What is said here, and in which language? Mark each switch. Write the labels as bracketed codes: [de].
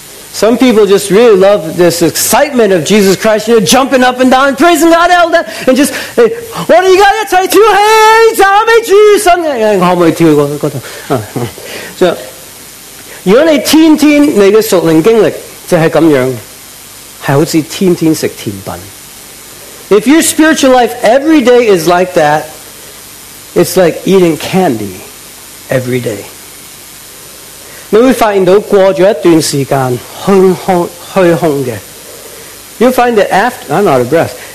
[en] Some people just really love this excitement of Jesus Christ, you know, jumping up and down, praising God, elder, and just, hey, what do you got to say to? Hey, tell me, Jesus. [zh] So, 如果你天天你的属灵经历就是这样，是好像天天吃甜品。 [en] If your spiritual life every day is like that, it's like eating candy every day. [zh] 你会发现到过了一段时间，虚空的。 [en] You'll find that after, I'm out of breath.